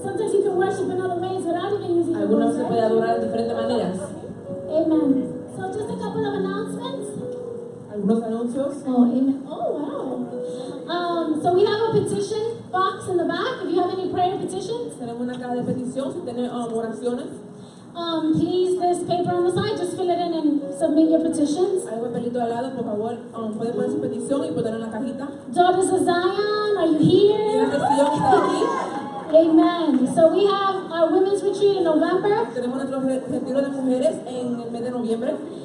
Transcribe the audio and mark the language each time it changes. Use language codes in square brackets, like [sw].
[en] Sometimes you can worship in other ways without even using your [es] Algunos [en] voice. [es] Se puede adorar de diferentes maneras. [en] Amen. So just a couple of announcements. [es] Algunos anuncios. [en] Oh, amen. Oh, wow. So we have a petition box in the back. If you have any prayer petitions. [es] Tenemos una caja de petición si tiene oraciones. [en] Please, this paper on the side, just fill it in and submit your petitions. [es] Hay un papelito al lado, por favor, puede poner su petición y ponerla en la cajita. [en] Daughters of Zion, are you here? Amen. So we have our women's retreat in November. [es] Tenemos nuestro retiro de mujeres en el mes de noviembre.